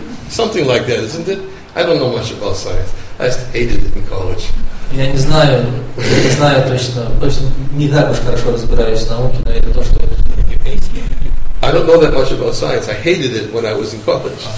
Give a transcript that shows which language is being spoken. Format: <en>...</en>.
<en>Something like that, isn't it? I don't know much about science. I just hated it in college.</en> <ru>Я не знаю точно. Не так уж хорошо разбираюсь в науке, но это то, что.</ru> <en>I don't know that much about science. I hated it when I was in college.</en>